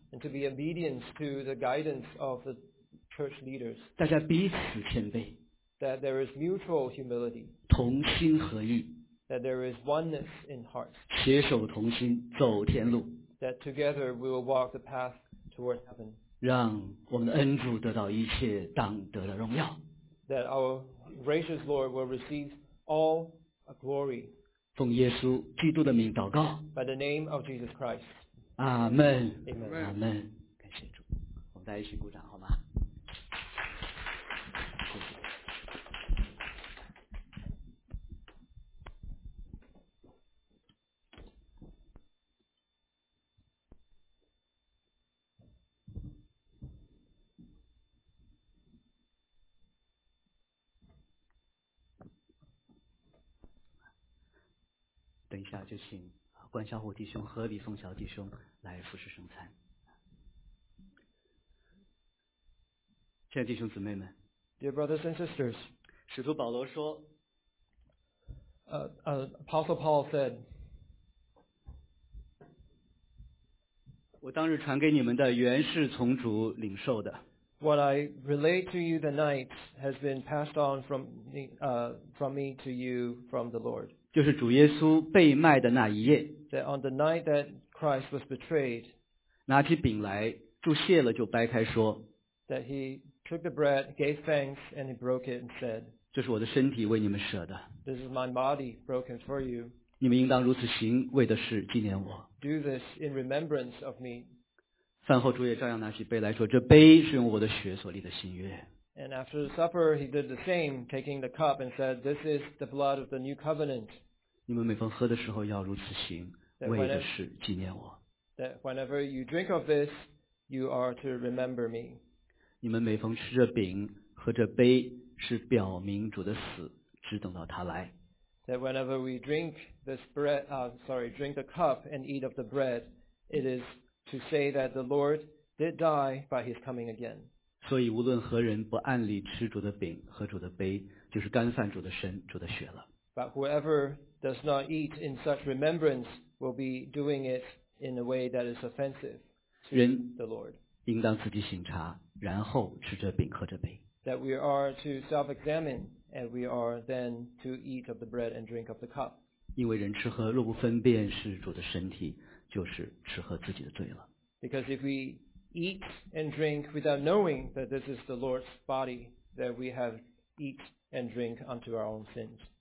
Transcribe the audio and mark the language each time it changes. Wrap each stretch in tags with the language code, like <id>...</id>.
<en>and to be obedient to the guidance of the church leaders</en> <zh>大家彼此谦卑</zh> <en>that there is mutual humility</en> <zh>同心合意</zh> <en>that there is oneness in hearts</en> <zh>携手同心走天路</zh> <en>that together we will walk the path toward heaven</en> <zh>让我们的恩主得到一切当得的荣耀</zh> <en>that our gracious Lord will receive all glory</en> <zh>奉耶稣基督的名祷告</zh> <en>by the name of Jesus Christ</en> <zh>阿们</zh> <en>Amen.</en> <zh>Amen. 感谢主我们大家一起鼓掌好吗等一下就请关小虎弟兄和李松桥弟兄来服侍圣餐亲爱的弟兄姊妹们</zh> <en>Dear brothers and sisters</en> <zh>使徒保罗说</zh> <en>Apostle Paul said</en> <zh>我当日传给你们的原是从主领受的</zh> <en>What I relate to you the night has been passed on from me to you from the Lord</en> <zh>就是主耶稣被卖的那一夜</zh> <en>that on the night that Christ was betrayed</en> <zh>拿起饼来祝谢了就掰开说</zh> <en>that he took the bread gave thanks and he broke it and said</en> <zh>这是我的身体为你们舍的</zh> <en>this is my body broken for you</en> <zh>你们应当如此行为的是纪念我</zh> <en>do this in remembrance of me</en> <zh>饭后主也照样拿起杯来说这杯是用我的血所立的新约</zh> <en>And after the supper, he did the same, taking the cup and said, This is the blood of the new covenant.</en> <zh>你们每逢喝的时候要如此行，为的是纪念我。</zh> <en>That whenever you drink of this, you are to remember me.</en> <zh>你们每逢吃着饼和着杯，是表明主的死，只等到他来。</zh> <en>That whenever we drink this bread, drink the cup and eat of the bread, it is to say that the Lord did die by his coming again.</en> <zh>所以无论何人不按理吃主的饼和主的杯就是干饭主的身主的血了</zh> <en>But whoever does not eat in such remembrance will be doing it in a way that is offensive to the Lord</en> <zh>人应当自己省察然后吃这饼喝这杯</zh> <en>That we are to self-examine and we are then to eat of the bread and drink of the cup</en> <zh>因为人吃喝若不分辨是主的身体就是吃喝自己的罪了</zh> <en>Because if weEat and drink without knowing that this is the Lord's body that we have eat and drink unto our own sins.</en>